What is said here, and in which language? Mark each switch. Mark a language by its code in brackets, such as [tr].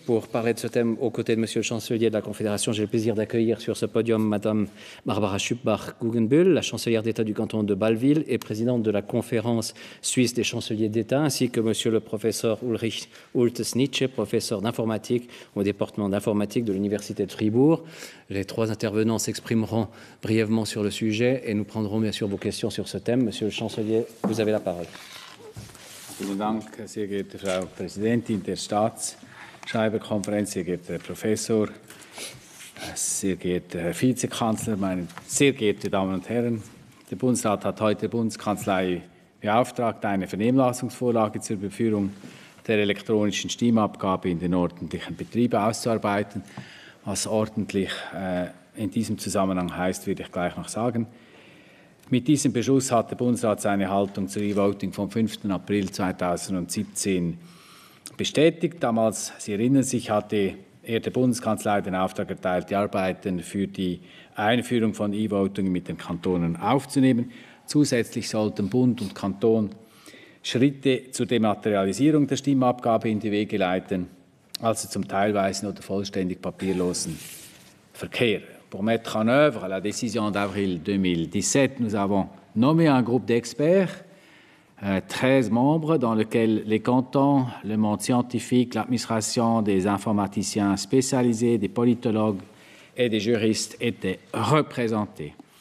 [fr] Pour parler de ce thème, aux côtés de Monsieur le chancelier de la Confédération, j'ai le plaisir d'accueillir sur ce podium Madame Barbara Schubach-Guggenbühl, la chancelière d'État du canton de Bâle-Ville et présidente de la Conférence suisse des chanceliers d'État, ainsi que Monsieur le professeur Ulrich Ulte-Snitsche, professeur d'informatique au département d'informatique de l'Université de Fribourg. Les trois intervenants s'exprimeront brièvement sur le sujet et nous prendrons bien sûr vos questions sur ce thème. Monsieur le chancelier, vous avez la parole. [de] Vielen Dank, sehr geehrte Frau Präsidentin der Staatsschreiberkonferenz, sehr geehrter Herr Professor, sehr geehrter Herr Vizekanzler, meine sehr geehrte Damen und Herren. Der Bundesrat hat heute der Bundeskanzlei beauftragt, eine Vernehmlassungsvorlage zur Überführung der elektronischen Stimmabgabe in den ordentlichen Betrieben auszuarbeiten. Was ordentlich in diesem Zusammenhang heißt, werde ich gleich noch sagen. Mit diesem Beschluss hat der Bundesrat seine Haltung zu E-Voting vom 5. April 2017 bestätigt. Damals, Sie erinnern sich, hatte er der Bundeskanzlei den Auftrag erteilt, die Arbeiten für die Einführung von E-Voting mit den Kantonen aufzunehmen. Zusätzlich sollten Bund und Kanton Schritte zur Dematerialisierung der Stimmabgabe in die Wege leiten, also zum teilweisen oder vollständig papierlosen Verkehr. [fr] Pour mettre en œuvre la décision d'avril 2017, nous avons nommé un groupe d'experts, 13 membres, dans lequel les cantons, le monde scientifique, l'administration, des informaticiens spécialisés, des politologues et des juristes étaient représentés.